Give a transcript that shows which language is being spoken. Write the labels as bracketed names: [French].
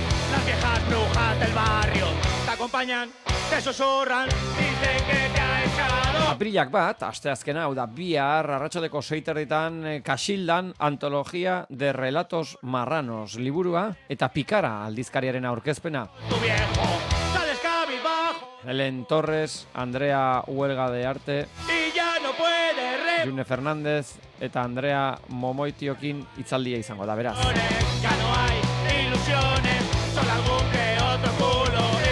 [Spanish] Las viejas brujas del barrio te acompañan, te susurran, dicen que te ha echado. [Basque] Apirilak 1, asteazkena, hau da bihar, arratsaldeko 6:00, Kaxildan, antologia de relatos marranos, liburua, eta Pikara, aldizkariaren aurkezpena. [Spanish] Tu viejo, sales cabizbajo. Helen Torres, Andrea Huelga de Arte, y ya no puede re... [Basque] June Fernández, eta Andrea Momoitiokin, itzaldia izango da, beraz. [Spanish] Ya no hay ilusiones, solo algún que otro culo.